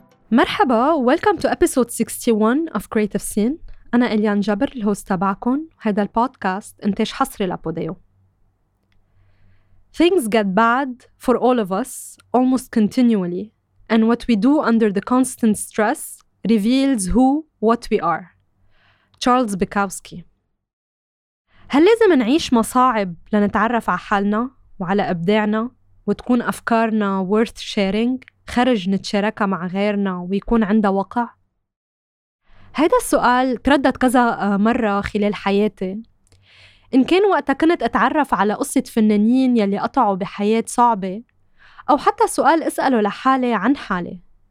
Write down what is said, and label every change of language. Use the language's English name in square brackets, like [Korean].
[Arabic] مرحبا، [English] welcome to episode 61 of Creative Scene. [Arabic] أنا إليان جبر الهوست تبعكم، هذا البودكاست إنتاج حصري لبوديو. [English] Things get bad for all of us almost continually, and what we do under the constant stress reveals who what we are. Charles Bukowski. [Arabic] هل لازم نعيش مصاعب لنتعرف على حالنا وعلى أبداعنا وتكون أفكارنا [English] worth sharing؟ [Arabic] خرج نتشاركها مع غيرنا ويكون عندها وقع؟ هذا السؤال تردد كذا مرة خلال حياتي، إن كان وقتها كنت أتعرف على قصة فنانين يلي قطعوا بحياة صعبة، أو حتى سؤال أسأله لحالي عن حالي.